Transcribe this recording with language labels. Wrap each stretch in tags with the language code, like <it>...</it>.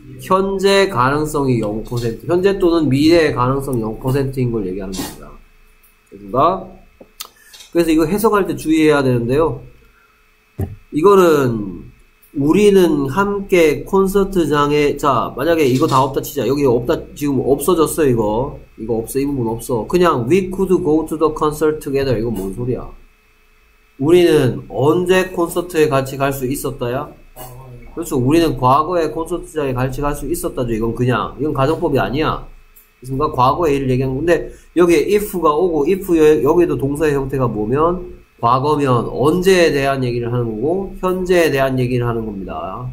<ko>현재 가능성이 0%, 현재 또는 미래의 가능성이 0%인 걸 얘기하는 겁니다. 됐습니까? 그래서 이거 해석할 때 주의해야 되는데요. 이거는 우리는 함께 콘서트장에, 자, 만약에 이거 다 없다 치자. 여기 없다, 지금 없어졌어요, 이거. 이거 없어, 이 부분 없어. 그냥</ko> <en>we could go to the concert together.</en> <ko>이거 뭔 소리야? 우리는 언제 콘서트에 같이 갈 수 있었다야? 그렇죠. 우리는 과거에 콘서트장에 같이 갈 수 있었다죠. 이건 그냥. 이건 가정법이 아니야. 그니까 과거의 일을 얘기한 건데, 여기에 if가 오고, if, 여기도 동사의 형태가 뭐면, 과거면 언제에 대한 얘기를 하는 거고, 현재에 대한 얘기를 하는 겁니다.</ko>